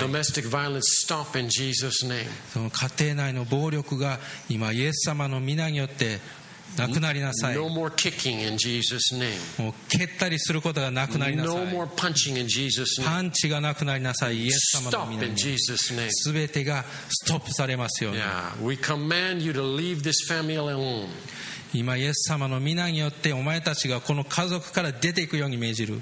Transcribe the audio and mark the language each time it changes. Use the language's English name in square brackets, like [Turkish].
[English] Domestic violence stop in Jesus' name. [Japanese] その家庭内の暴力が今イエス様の御名によってなくなりなさい。 [English] No more kicking in Jesus' name. [Japanese] もう蹴ったりすることがなくなりなさい。 [English] No more punching in Jesus' name. [Japanese] パンチがなくなりなさい。イエス様の御名に。すべてがストップされますように。 [English] Yeah. We command you to leave this family alone. [Japanese] 今イエス様の御名によってお前たちがこの家族から出ていくように命じる。